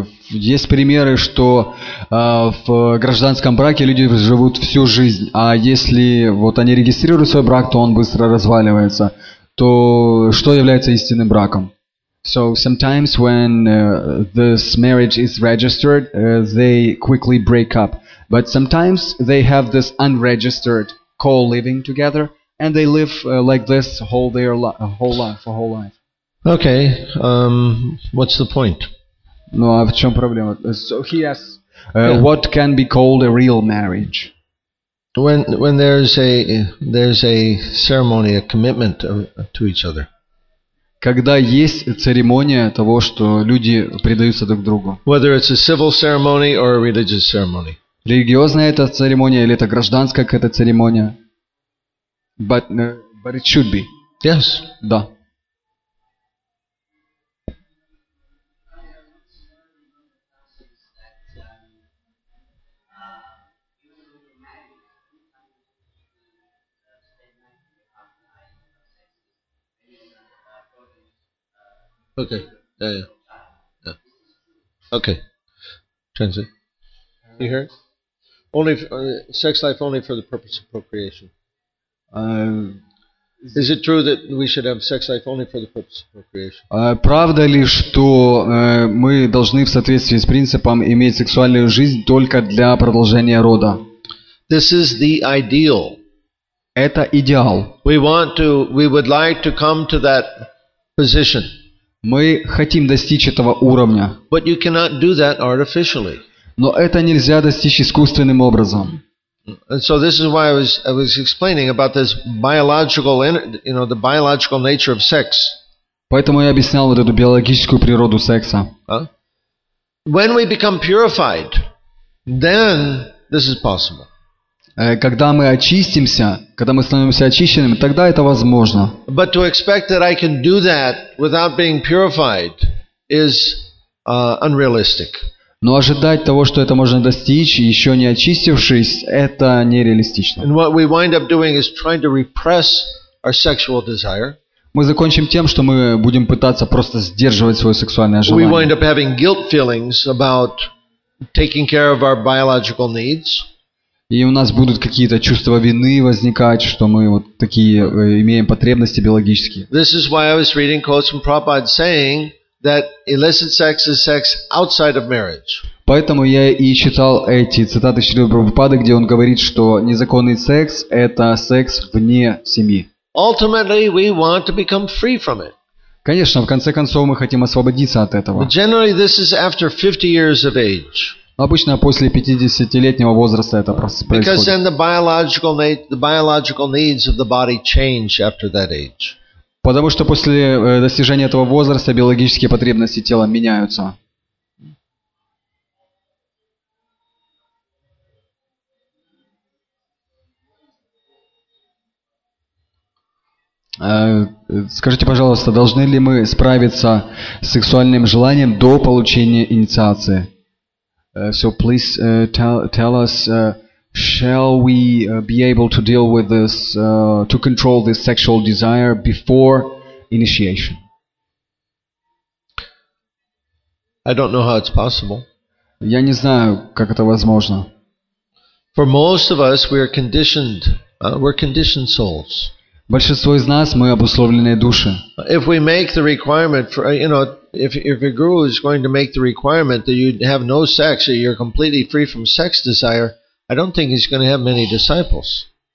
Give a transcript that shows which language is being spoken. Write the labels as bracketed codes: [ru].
[ru] Есть примеры, что в гражданском браке люди живут всю жизнь, а если вот они регистрируют свой брак, то он быстро разваливается. То что является истинным браком? [en] So sometimes when this marriage is registered, they quickly break up. But sometimes they have this unregistered co-living together, and they live like this whole life. Okay, what's the point? [ru] Ну а в чем проблема? [en] So he asks, yeah. What can be called a real marriage? When there's a ceremony, a commitment to each other. [ru] Когда есть церемония того, что люди предаются друг другу. [en] Whether it's a civil ceremony or a religious ceremony. [ru] Религиозная это церемония или это гражданская какая-то церемония? [en] But it should be. Yes. [ru] Да. [en] Okay. Yeah. Okay. Translate. You heard? Only sex life only for the purpose of procreation. Is it true that we should have sex life only for the purpose of procreation? [ru] Правда ли, что мы должны в соответствии с принципом иметь сексуальную жизнь только для продолжения рода? [en] This is the ideal. [ru] Это идеал. [en] We would like to come to that position. [ru] Мы хотим достичь этого уровня. [en] But you cannot do that artificially. [ru] Но это нельзя достичь искусственным образом. [en] And so this is why I was explaining about this biological, you know, the biological nature of sex. [ru] Поэтому я объяснял вот эту биологическую природу секса. [en] When we become purified, then this is possible. [ru] Когда мы очистимся, когда мы становимся очищенными, тогда это возможно. [en] But to expect that I can do that without being purified is unrealistic. [ru] Но ожидать того, что это можно достичь, еще не очистившись, это нереалистично. [en] And what we wind up doing is trying to repress our sexual desire. [ru] Мы закончим тем, что мы будем пытаться просто сдерживать свое сексуальное желание. [en] We wind up having guilt feelings about taking care of our biological needs. [ru] И у нас будут какие-то чувства вины возникать, что мы вот такие имеем потребности биологические. [en] This is why I was reading quotes from Prabhupada saying that illicit sex is sex outside of marriage. [ru] Поэтому я и читал эти цитаты Шри Прабхупады, где он говорит, что незаконный секс – это секс вне семьи. [en] Ultimately, we want to become free from it. [ru] Конечно, в конце концов мы хотим освободиться от этого. [en] But generally, this is after 50 years of age. [ru] Обычно после 50-летнего возраста это происходит. [en] Because then the biological needs of the body change after that age. [ru] Потому что после достижения этого возраста биологические потребности тела меняются. Скажите, пожалуйста, должны ли мы справиться с сексуальным желанием до получения инициации? [en] So please tell us, shall we be able to deal with this, to control this sexual desire before initiation? I don't know how it's possible. [ru] Я не знаю, как это возможно. [en] For most of us, we are conditioned. We're conditioned souls. [ru] Большинство из нас мы обусловленные души. [en] If we make the requirement for, you know, if a guru is going to make the requirement that you have no sex or you're completely free from sex desire, I don't think he's going to have many disciples.